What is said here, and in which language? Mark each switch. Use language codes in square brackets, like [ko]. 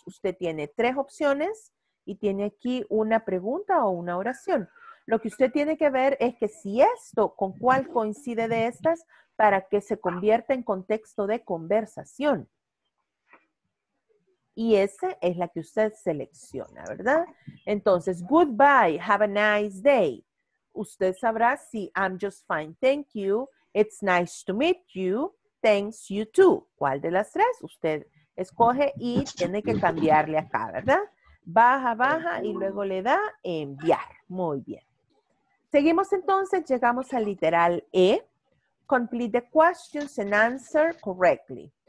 [es] Usted tiene tres opciones y tiene aquí una pregunta o una oración. Lo que usted tiene que ver es que si esto, con cuál coincide de estas para que se convierta en contexto de conversación. Y esa es la que usted selecciona, ¿verdad? [en] Entonces, goodbye, have a nice day. Usted sabrá si I'm just fine, thank you, it's nice to meet you. [es] Thanks, you too. ¿Cuál de las tres? Usted escoge y tiene que cambiarle acá, ¿verdad? Baja, baja y luego le da enviar. Muy bien. Seguimos entonces, llegamos al literal E. Complete the questions and answer correctly.